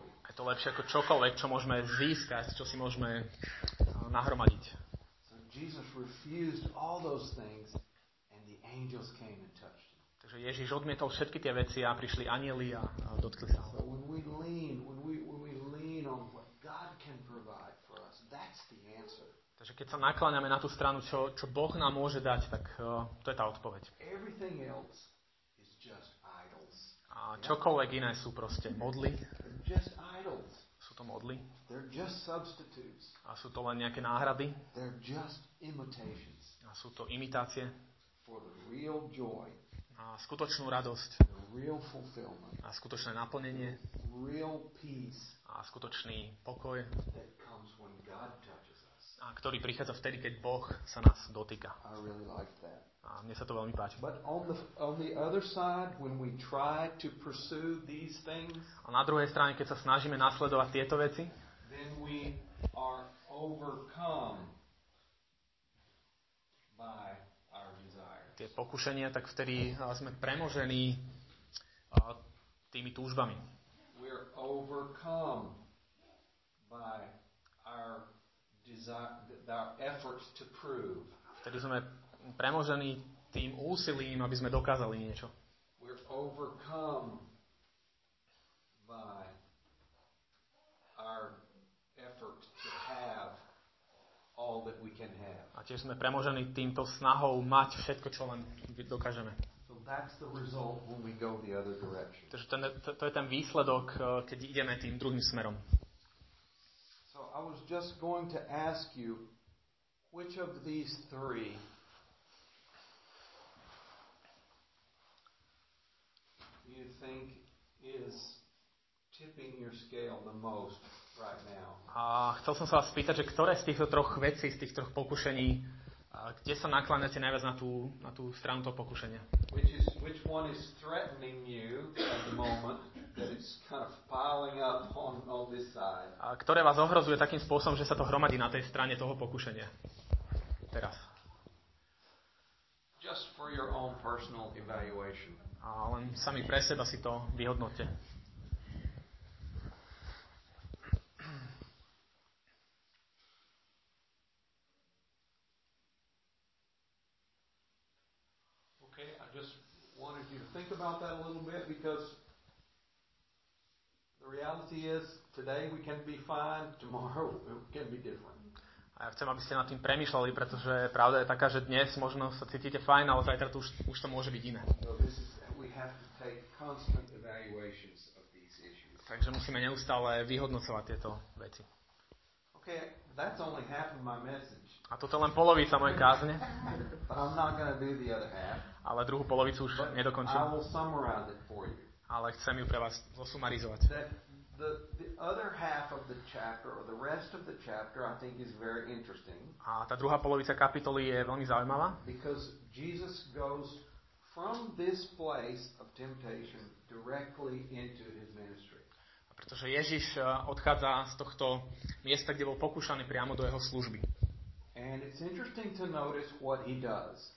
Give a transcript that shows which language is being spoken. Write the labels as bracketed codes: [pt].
[sk] Je to lepšie ako čokoľvek, čo môžeme získať, čo si môžeme nahromadiť. [en] Jesus refused all those things and the angels came and touched him. [sk] Takže Ježiš odmietol všetky tie veci a prišli anjeli a dotkli sa ho. [en] So when we lean on what God can provide for us, that's the answer. [sk] Takže keď sa nakláňame na tú stranu, čo Boh nám môže dať, tak to je tá odpoveď. [en] Everything else is just idols. [sk] A čokoľvek iné sú proste modly. [en] Just idols. [sk] Sú to modly. [en] They're just substitutes. [sk] A sú to len nejaké náhrady. [en] They're just imitations. [sk] A sú to imitácie. [en] For the real joy. [sk] A skutočnú radosť. [en] The real fulfillment. [sk] A skutočné naplnenie. [en] Real peace. [sk] A skutočný pokoj. [en] That comes when God touches. [sk] A ktorý prichádza vtedy, keď Boh sa nás dotýka. [en] I really like that. [sk] A mne sa to veľmi páči. [en] But on the other side, when we try to pursue these things, [sk] a na druhej strane, keď sa snažíme nasledovať tieto veci, [en] then we are overcome by our desires. [sk] Tie pokušenia, tak vtedy sme premožení tými túžbami. [en] We are overcome by our our efforts to prove. [sk] Vtedy sme premožení tým úsilím, aby sme dokázali niečo. [en] We're overcome by our effort to have all that we can have. [sk] A tiež sme premožení týmto snahou mať všetko, čo len dokážeme. [en] So that's the result when we go the other direction. [sk] Takže to je ten výsledok, keď ideme tým druhým smerom. [en] I was just going to ask you which of these three you think is tipping your scale the most right now. [sk] A chcel som sa vás spýtať, že ktoré z týchto troch vecí, z týchto troch pokušení, kde sa nakláňate najviac na tú stranu toho pokušenia? [en] Which one is threatening you at the moment? It's kind of piling up on this side. [sk] A ktoré vás ohrozuje takým spôsobom, že sa to hromadí na tej strane toho pokušenia. Teraz. [en] Just for your own personal evaluation. [sk] A len sami pre seba si to vyhodnote. [en] Okay, I just wanted you to think about that a little bit because reality is today we can be fine, tomorrow it can be different. [sk] A ja chcem, aby ste nad tým premýšľali, pretože pravda je taká, že dnes možno sa cítite fajn, ale zajtra to už to môže byť iné. [en] We have to take constant evaluations of these issues. [sk] Takže musíme neustále vyhodnocovať tieto veci. [en] Okay, that's only half of my message. [sk] A toto len polovica mojej kázne. [en] But I'm not gonna do the other half. [sk] Ale druhú polovicu už nedokončím. [en] I will summarize it for you. [sk] Ale chcem ju pre vás zosumarizovať. [en] The other half of the chapter or the rest of the chapter I think is very interesting. [sk] A tá druhá polovica kapitoly je veľmi zaujímavá. [en] Because Jesus goes from this place of temptation directly into his ministry. [sk] Pretože Ježiš odchádza z tohto miesta, kde bol pokúšaný, priamo do jeho služby. [en] And it's interesting to notice what he does.